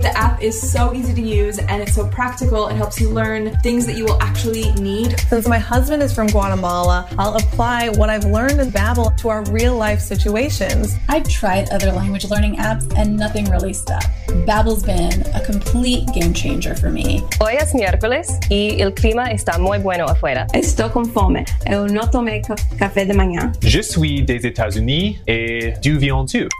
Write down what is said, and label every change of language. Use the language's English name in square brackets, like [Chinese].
[English] The app is so easy to use, and it's so practical. It helps you learn things that you will actually need. Since my husband is from Guatemala, I'll apply what I've learned in Babbel to our real-life situations. I've tried other language learning apps and nothing really stuck. Babbel's been a complete game-changer for me. [Spanish] Hoy es miércoles y el clima está muy bueno afuera. Estoy con fome. Yo no tomé café de mañana. [French] Je suis des États-Unis et du vient tu.